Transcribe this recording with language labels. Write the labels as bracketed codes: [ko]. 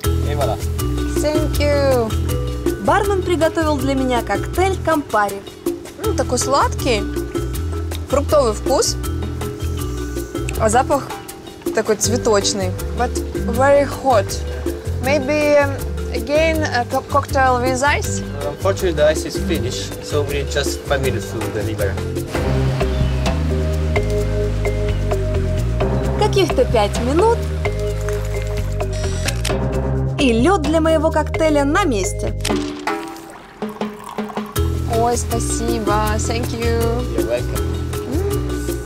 [ru] И вода. [en] Thank you. [ru] Бармен приготовил для меня коктейль Кампари. Такой сладкий, фруктовый вкус, а запах такой цветочный. [en] But very hot. Maybe... Again, a cocktail with ice? Unfortunately, the ice is finished, so we need just 5 minutes to deliver. [ru] Каких-то 5 минут, и лед для моего коктейля на месте. Ой, спасибо, [en] thank you. You're welcome.